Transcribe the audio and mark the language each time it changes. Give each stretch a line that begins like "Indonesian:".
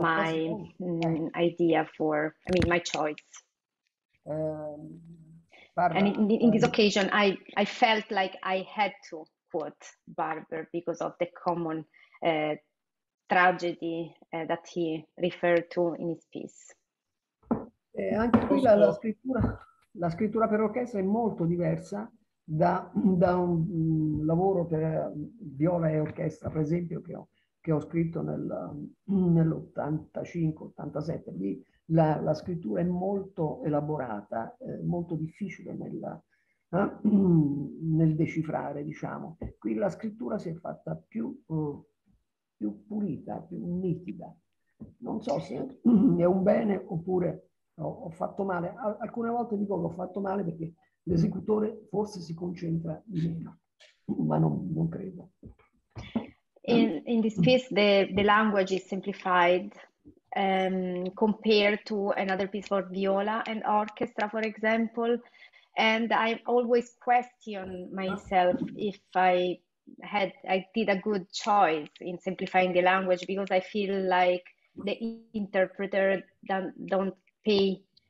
English: occasione. My idea for, I mean, my choice. And in this occasion, I felt like I had to quote Barber because of the common tragedy that he referred to in his piece.
Italian: E anche qui la scrittura per orchestra è molto diversa da un lavoro per viola e orchestra, per esempio, che ho scritto nell'85-87. Lì la scrittura è molto elaborata, molto difficile nel decifrare, diciamo. Qui la scrittura si è fatta più pulita, più nitida. Non so se è un bene oppure ho fatto male. Alcune volte dico che ho fatto male perché l'esecutore forse si concentra di meno, ma non credo.
English: In this piece, the language is simplified compared to another piece for viola and orchestra, for example. And I always question myself if I did a good choice in simplifying the language, because I feel like the interpreter don't pay